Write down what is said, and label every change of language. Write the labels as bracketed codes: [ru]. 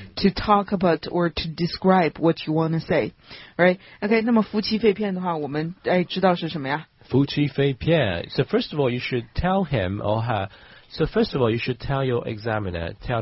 [en] to talk about or to describe what you want to say， right？ [zh] OK， 那么夫妻肺片的话，我们哎知道是什么呀？夫妻肺片。 [en] So first of all, you should tell him or her. So first of all, you should tell your examiner.